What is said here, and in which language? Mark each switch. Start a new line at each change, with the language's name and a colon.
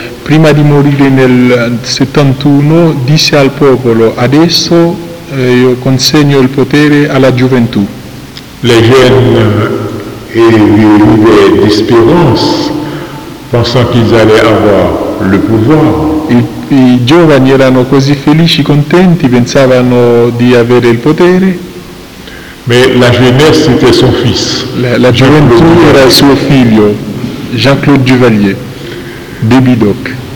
Italian: Prima di morire nel 71, disse al popolo: adesso io consegno il potere alla gioventù.
French: Les jeunes vivaient d'espérance, pensant qu'ils allaient avoir le pouvoir.
Italian: I giovani erano così felici, contenti, pensavano di avere il potere.
French: Mais la jeunesse était son fils.
Italian: La gioventù era suo figlio, Jean-Claude Duvalier, Baby Doc.